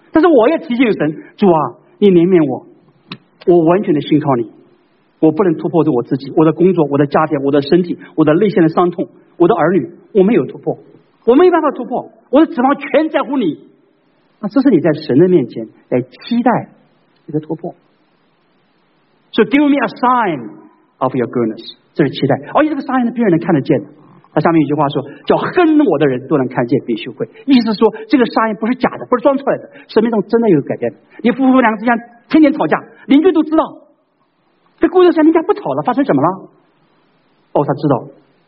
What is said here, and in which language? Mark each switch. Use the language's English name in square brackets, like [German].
[Chinese] 但是我也提醒神，主啊，你怜悯我，我完全的信靠你，我不能突破着我自己，我的工作，我的家庭，我的身体，我的内心的伤痛，我的儿女，我没有突破，我没办法突破，我的指望全在乎你。那这是你在神的面前来期待一个突破。 [English] So give me a sign of your goodness， [Chinese] 这是期待。而且这个 sign 呢，别人能看得见的。那下面有句话说，叫恨我的人都能看见，必须会。意思说，这个 sign 不是假的，不是装出来的，生命中真的有改变。你夫妇两个之间天天吵架，邻居都知道。这过段时间人家不吵了，发生什么了？哦，他知道。